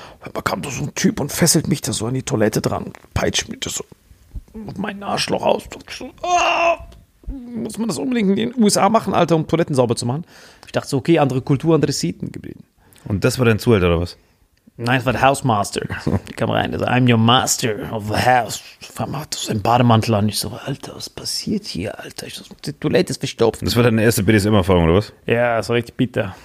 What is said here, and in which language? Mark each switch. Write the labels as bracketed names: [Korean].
[German] Und dann kam da so ein Typ und fesselt mich da so an die Toilette dran, peitscht mich da so auf meinen Arschloch aus. Ah, muss man das unbedingt in den USA machen, Alter, um Toiletten sauber zu machen? Ich dachte so, okay, andere Kultur, andere Sitten geblieben. Und das war dein Zuhälter oder was? Nein, es war der Housemaster. Die kam rein, [English] I'm your master of the house. [German] Vor allem hat er seinen Bademantel an. Ich so, Alter, was passiert hier, Alter? Die Toilette ist verstopft. Das war deine erste BDSM-Erfahrung, oder was? Ja, das war richtig bitter.